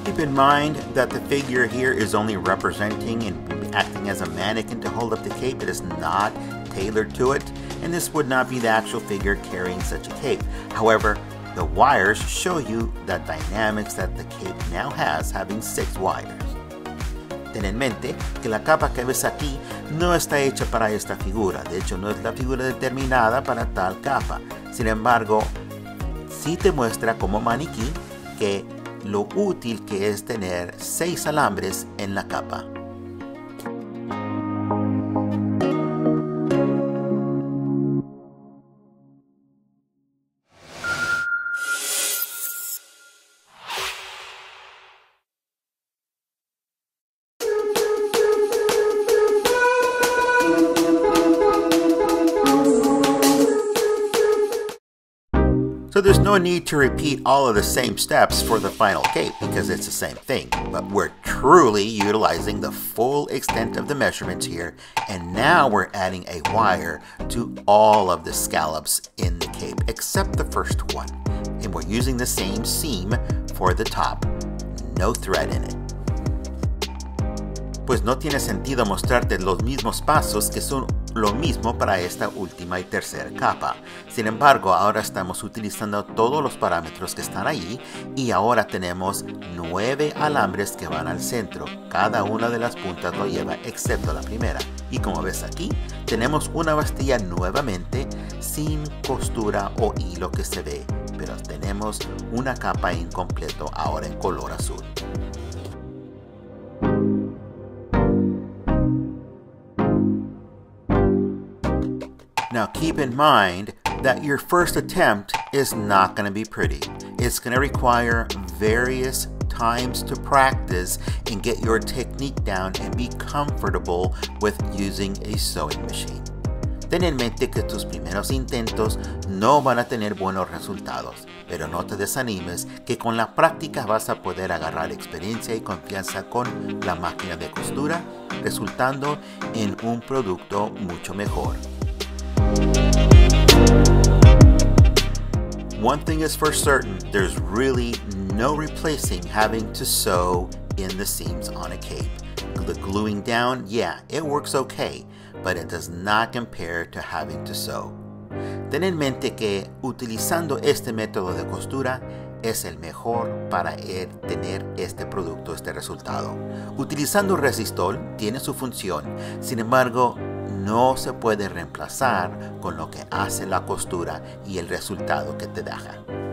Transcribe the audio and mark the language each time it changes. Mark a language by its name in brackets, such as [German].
[English] Mind that the figure here is only representing and acting as a mannequin to hold up the cape. It is not tailored to it, and this would not be the actual figure carrying such a cape. However, the wires show you the dynamics that the cape now has, having 6 wires. [Spanish] Ten en mente que la capa que ves aquí no está hecha para esta figura. De hecho, no es la figura determinada para tal capa. Sin embargo, sí te muestra como maniquí que lo útil que es tener 6 alambres en la capa. [English] So there's no need to repeat all of the same steps for the final cape because it's the same thing, but we're truly utilizing the full extent of the measurements here, and now we're adding a wire to all of the scallops in the cape except the first one, and we're using the same seam for the top, no thread in it. [Spanish] Pues no tiene sentido mostrarte los mismos pasos que son lo mismo para esta última y tercera capa. Sin embargo, ahora estamos utilizando todos los parámetros que están ahí y ahora tenemos 9 alambres que van al centro. Cada una de las puntas lo lleva excepto la primera. Y como ves aquí, tenemos una bastilla nuevamente sin costura o hilo que se ve, pero tenemos una capa incompleto ahora en color azul. [English] Now keep in mind that your first attempt is not going to be pretty. It's going to require various times to practice and get your technique down and be comfortable with using a sewing machine. [Spanish] Ten en mente que tus primeros intentos no van a tener buenos resultados, pero no te desanimes que con la práctica vas a poder agarrar experiencia y confianza con la máquina de costura, resultando en un producto mucho mejor. [English] Thank you. One thing is for certain, there's really no replacing having to sew in the seams on a cape. The gluing down, yeah, it works okay, but it does not compare to having to sew. [Spanish] Ten en mente que utilizando este método de costura es el mejor para tener este producto, este resultado. Utilizando resistol tiene su función, sin embargo, no se puede reemplazar con lo que hace la costura y el resultado que te deja.